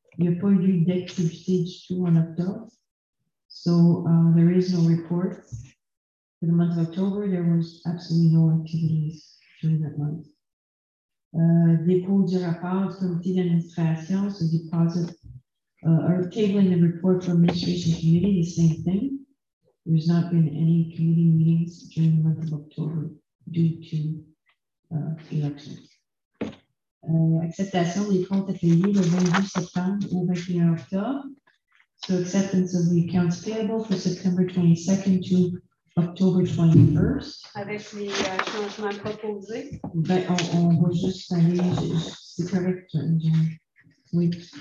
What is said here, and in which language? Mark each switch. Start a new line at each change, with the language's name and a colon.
French: Il n'y a pas eu d'activité du tout en octobre.
English: So, there is no report. For the month of October, there was absolutely no activities during that month.
French: Dépôt du rapport du comité d'administration,
English: so deposit, or tabling the report from administration committee, the same thing. There's not been any committee meetings during the month of October due to elections.
French: Acceptation des comptes payés le 22 septembre au 21 octobre.
English: So acceptance of the accounts payable for September 22nd to October 21st.
French: Avec les changements proposés. Ben, on va juste aller, c'est correct. Oui.